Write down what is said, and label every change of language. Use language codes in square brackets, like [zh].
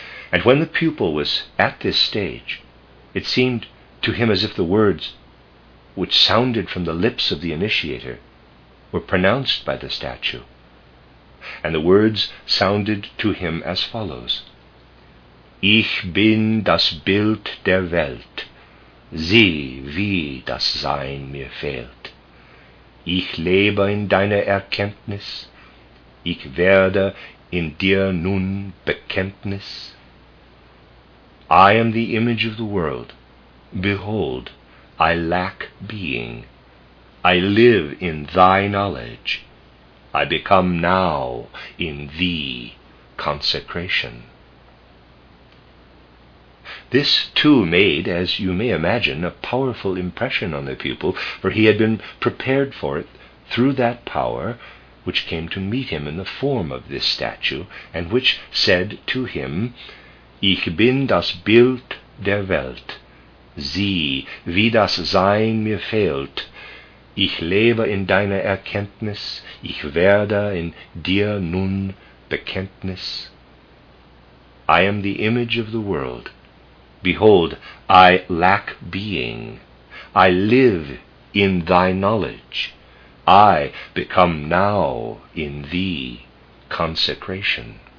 [en] And when the pupil was at this stage, it seemed to him as if the words which sounded from the lips of the initiator were pronounced by the statue. And the words sounded to him as follows: [de] "Ich bin das Bild der Welt, Sieh, wie das Sein mir fehlt. Ich lebe in deiner Erkenntnis, ich werde in dir nun Bekenntnis. [en] I am the image of the world. Behold, I lack being. I live in thy knowledge. I become now in thee consecration. This too made, as you may imagine, a powerful impression on the pupil, for he had been prepared for it through that power which came to meet him in the form of this statue, and which said to him, [de] Ich bin das Bild der Welt. Sieh, wie das Sein mir fehlt. Ich lebe in deiner Erkenntnis. Ich werde in dir nun Bekenntnis. [en] I am the image of the world. Behold, I lack being. I live in thy knowledge. I become now in thee consecration.